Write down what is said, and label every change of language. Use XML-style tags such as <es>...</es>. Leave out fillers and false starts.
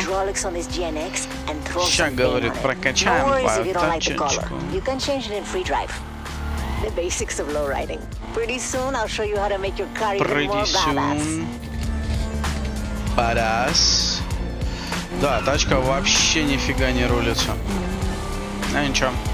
<ru>Сейчас, говорит, прокачаем ворточечку.</ru> <en>You can change it in free drive. The basics of low riding. Pretty soon I'll show you how to make your car even more badass. Pretty soon. Badass.</en> <ru>Да, тачка вообще нифига не рулится. А ничего.</ru>